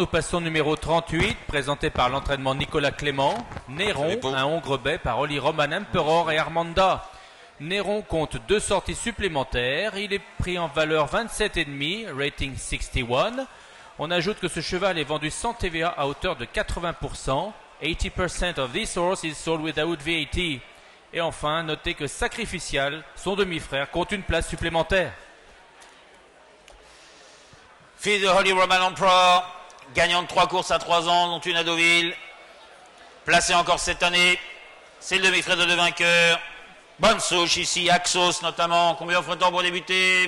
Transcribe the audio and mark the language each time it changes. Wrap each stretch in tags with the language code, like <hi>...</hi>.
<fr>Nous passons au numéro 38, présenté par l'entraînement Nicolas Clément. Néron, un Hongre Bay par Oli Roman Emperor et Armanda. Néron compte deux sorties supplémentaires. Il est pris en valeur 27,5, rating 61. On ajoute que ce cheval est vendu sans TVA à hauteur de 80%.</fr> <en>80% of this horse is sold without VAT.</en> <fr>Et enfin, notez que Sacrificial, son demi-frère, compte une place supplémentaire. Fille de Holy Roman Emperor, gagnant de 3 courses à 3 ans, dont une à Deauville, placée encore cette année, c'est le demi-frère de deux vainqueurs, bonne souche ici, Axos notamment, combien offre-t-on pour débuter?</fr>